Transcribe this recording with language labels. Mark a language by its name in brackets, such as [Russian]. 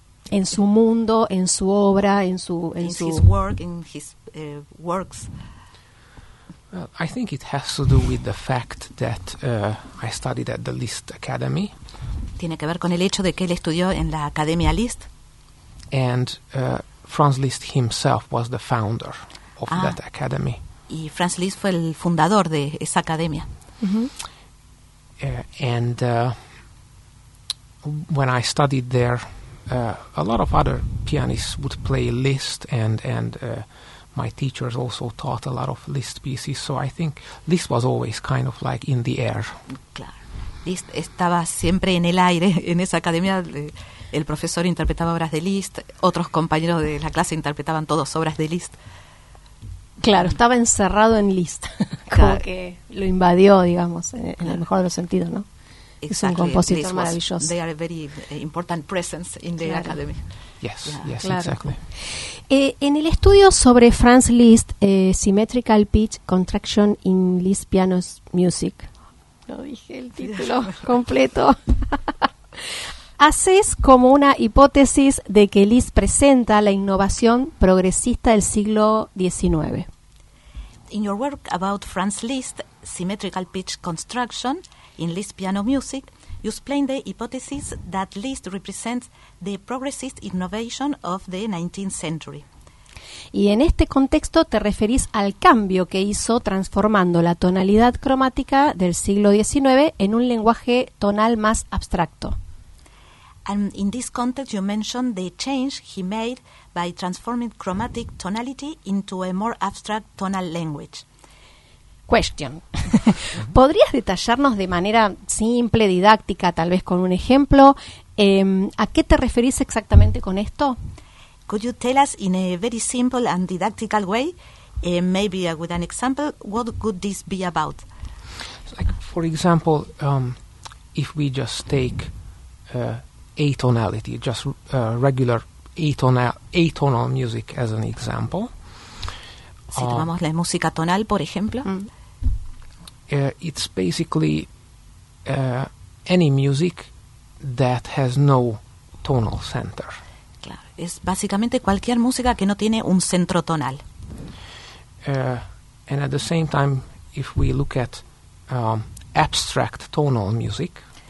[Spanish] En su mundo, en su obra, en su... [English] In his works. Well, I think it has to do with the fact that I studied at the Liszt Academy. [Spanish] ¿Tiene que ver con el hecho de que él estudió en la Academia Liszt? [English] And Franz Liszt himself was the founder of that academy. [Spanish] Y Franz Liszt fue el fundador de esa academia. [English] When I studied there, a lot of other pianists would play Liszt, and my teachers also taught a lot of Liszt pieces, so I think Liszt was always kind of like in the air. [Spanish] Claro. Liszt estaba siempre en el aire en esa academia. El profesor interpretaba obras de Liszt, otros compañeros de la clase interpretaban todos obras de Liszt. Claro, estaba encerrado en Liszt, como que lo invadió, digamos, en el mejor de los sentidos, ¿no? [English] Exactly. [Spanish] Es un compositor maravilloso. [English] They are a very important presence in the academy. Yes, yes, claro. Exactly. [Spanish] En el estudio sobre Franz Liszt, Symmetrical Pitch Contraction in Liszt Piano Music. No dije el título completo. Haces como una hipótesis de que Liszt presenta la innovación progresista del siglo XIX. [English] In your work about Franz Liszt, Symmetrical Pitch Construction in Liszt Piano Music, you explain the hypothesis that Liszt represents the progressist innovation of the 19th century. [Spanish] Y en este contexto te referís al cambio que hizo transformando la tonalidad cromática del siglo XIX en un lenguaje tonal más abstracto. [English] And in this context you mention the change he made by transforming chromatic tonality into a more abstract tonal language. Question. [Spanish] ¿Podrías detallarnos de manera simple, didáctica, tal vez con un ejemplo, a qué te referís exactamente con esto? [English] Could you tell us in a very simple and didactical way, maybe with an example, what could this be about? Like, for example, if we just take atonality, just regular atonal music as an example. [Spanish] Si tomamos la música tonal, por ejemplo. [English] It's basically any music that has no tonal center. [Spanish] Claro, es básicamente cualquier música que no tiene un centro tonal. [English] And at the same time, if we look at abstract tonal music.